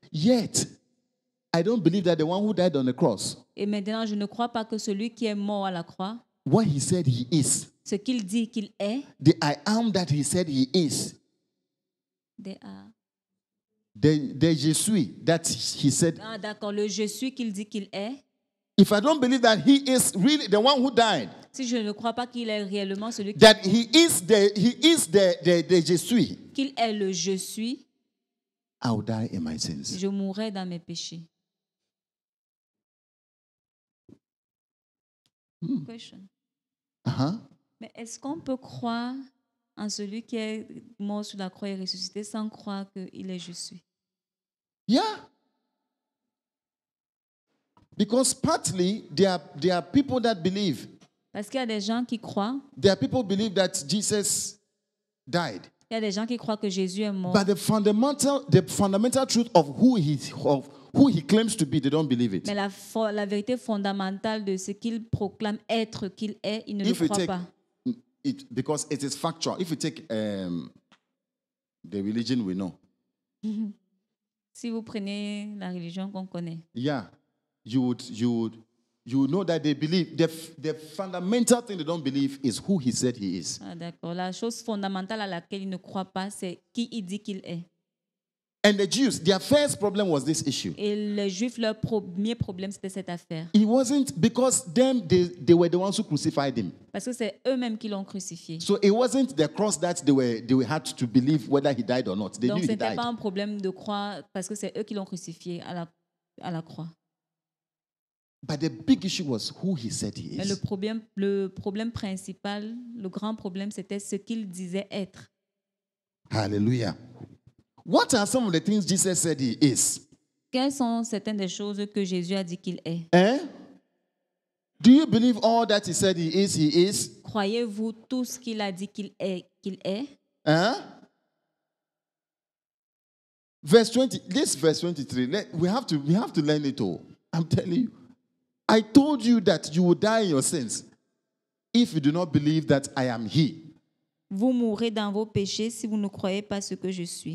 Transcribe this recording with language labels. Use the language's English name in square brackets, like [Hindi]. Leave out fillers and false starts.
[English] Yet I don't believe that the one who died on the cross. [French] Et maintenant, je ne crois pas que celui qui est mort à la croix. [English] What he said he is. [French] Ce qu'il dit qu'il est. [English] The I am that he said he is. The I. The je suis that he said. [French] Ah, d'accord. Le je suis qu'il dit qu'il est. [English] If I don't believe that he is really the one who died. [French] Si je ne crois pas qu'il est réellement celui. [English] That he is the je suis. [French] Qu'il est le je suis. [English] I will die in my sins. [French] Je mourrai dans mes péchés. [English] Question. [French] Mais est-ce qu'on peut croire en celui qui est mort sur la croix et ressuscité sans croire qu'il est je suis? [English] Yeah. Because partly there are people that believe. [French] Parce qu'il y a des gens qui croient. [English] There are people believe that Jesus died. [French] Il y a des gens qui croient que Jésus est mort. [English] But the fundamental truth of who he claims to be, they don't believe it. [French] Mais la vérité fondamentale de ce qu'il proclame être qu'il est, ils ne [English] If [French] le croient pas. [English] It, because it is factual. If you take the religion we know. [French] Si vous prenez la religion qu'on connaît. [English] Yeah. You know that they believe the fundamental thing they don't believe is who he said he is. [French] Ah, d'accord. La chose fondamentale à laquelle ils ne croient pas, c'est qui il dit qu'il est. [English] And the Jews, their first problem was this issue. [French] Et les Juifs, leur premier problème, c'était cette affaire. [English] It wasn't because them they were the ones who crucified him. [French] Parce que c'est eux-mêmes qui l'ont crucifié. [English] So it wasn't the cross that they had to believe whether he died or not. They [French] Donc [English] knew he died. [French] Donc c'était pas un problème de croire parce que c'est eux qui l'ont crucifié à la croix. [English] But the big issue was who he said he is. [French] Mais le problème principal, le grand problème, c'était ce qu'il disait être. [English] Hallelujah. What are some of the things Jesus said he is? [French] Quelles sont certaines des choses que Jésus a dit qu'il est? Hein? [English] Do you believe all that he said he is? [French] Croyez-vous tout ce qu'il a dit qu'il est? Hein? [English] Verse 20, this verse 23, we have to learn it all. I'm telling you. I told you that you will die in your sins if you do not believe that I am he. [French] Vous mourrez dans vos péchés si vous ne croyez pas ce que je suis.